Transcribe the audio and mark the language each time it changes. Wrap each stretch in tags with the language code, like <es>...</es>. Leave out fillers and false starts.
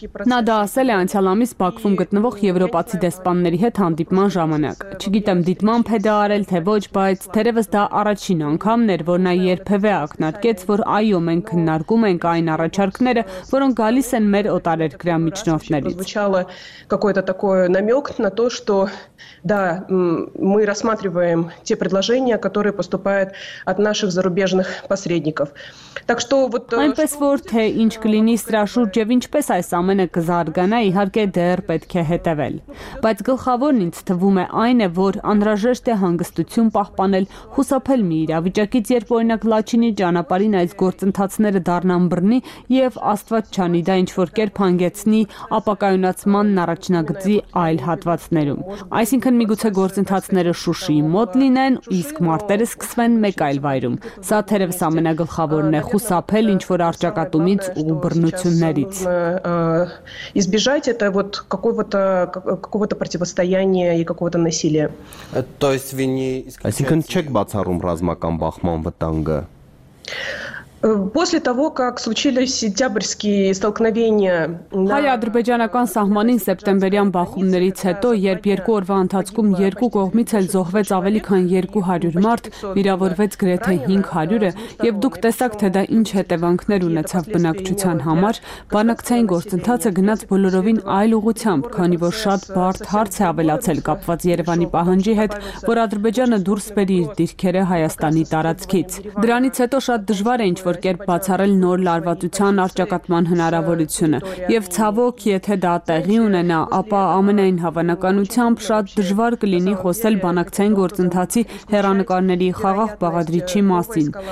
<hy>Նա դա ասել է անցյալ ամիս Բաքվում գտնվող եվրոպացի դեսպանների հետ հանդիպման ժամանակ։ Չգիտեմ դիտմամբ է դա արել թե ոչ, բայց թերևս դա առաջին անգամն էր, որ նա երբևէ ակնարկեց, որ այո, մենք քննարկում ենք այն առաջարկները, որոնք գալիս են մեր օտարերկրյա միջնորդներից։</hy> <ru>Звучало какой-то такой намёк на то, что да, мы рассматриваем те предложения, которые поступают от наших зарубежных посредников. Так что вот</ru> <hy>Այնպես որ թե ինչ կլինի Ստրաշուրջը ինչպես այս ամենը կզարգանա, իհարկե դեռ պետք է հետևել։ Բայց գլխավորն ինձ թվում է այն է, որ անհրաժեշտ է հանգստություն պահպանել, հուսափել մի իրավիճակից, երբ օրինակ Լաչինի ճանապարհին այս գործընթացները դառնան բռնի եւ աստված չանի դա ինչ որ կերպ հանգեցնի ապակայունացման առաջնագծի այլ հատվածներում։ Այսինքն միգուցե գործընթացները Շուշիի մոտ լինեն, իսկ մարտերը սկսվեն մեկ այլ վայրում։ Սա թերևս ամենագլխավորն է՝ հուսափել ինչ որ արճակատումից ու բռնությունների</hy> <ru>избежать это вот какого-то противостояния и какого-то насилия. То есть вы не исключаете...</ru> <hy>Այսինքն չեք բացառում ռազմական բախման վտանգը։</hy> <ru>После того, как случились сентябрьские столкновения,</ru> <hy>հայ-ադրբեջանական սահմանին սեպտեմբերյան բախումներից հետո, երբ երկու օրվա ընթացքում երկու կողմից էլ զոհվեց ավելի քան 200 մարդ, վիրավորվեց գրեթե 500-ը, եւ դուք տեսաք, թե դա ինչ հետևանքներ ունեցավ բնակչության համար, բանակցային գործընթացը գնաց բոլորովին այլ ուղությամբ, քանի որ շատ բարդ հարց է ավելացել կապված Երևանի պահանջի հետ, որ Ադրբեջանը դուրս բերի իր դիրքերը Հայաստանի տարածքից։ Դրանից հետո շատ դժվար է ինչ-որ կերպ բացառել նոր լարվածության արճակատման հնարավորությունը, եւ ցավոք, եթե դա տեղի ունենա, ապա ամենայն հավանականությամբ շատ դժվար կլինի խոսել բանակցային գործընթացի հեռանկարների խաղաղ բաղադրիչի մասին,</hy>